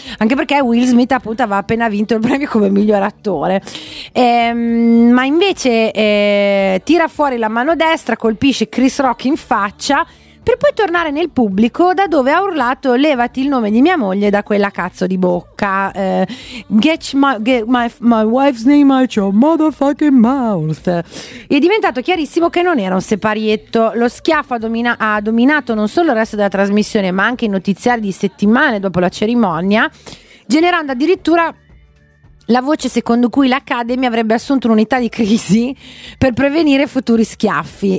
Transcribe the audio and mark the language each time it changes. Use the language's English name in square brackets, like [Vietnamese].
[Italian] Anche perché Will Smith appunto aveva appena vinto il premio come miglior attore. Ma invece tira fuori la mano destra, colpisce Chris Rock in faccia, per poi tornare nel pubblico da dove ha urlato "levati il nome di mia moglie da quella cazzo di bocca". [English] Get my wife's name out your motherfucking mouth. [Italian] È diventato chiarissimo che non era un separietto. Lo schiaffo ha dominato non solo il resto della trasmissione, ma anche i notiziari di settimane dopo la cerimonia, generando addirittura la voce secondo cui l'Academy avrebbe assunto un'unità di crisi per prevenire futuri schiaffi.